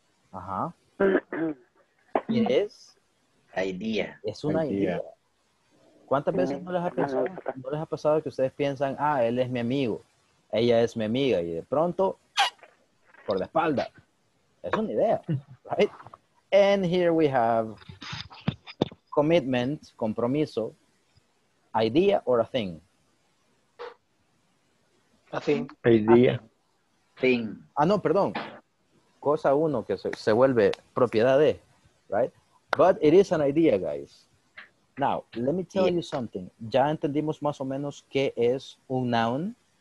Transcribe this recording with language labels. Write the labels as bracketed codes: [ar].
[es] Ajá. ¿Qué es? Idea. Es una idea. ¿Cuántas veces no les ha pasado que ustedes piensan, ah, él es mi amigo, ella es mi amiga, y de pronto, por la espalda? Es una idea, right? [en] And here we have commitment, compromiso, idea or a thing? A thing. Idea. Thing. [es] Ah, no, perdón. Cosa uno que se vuelve propiedad de. right? [en] But it is an idea, guys. Now, let me tell you something. [es] ¿Ya entendimos más o menos qué es un noun?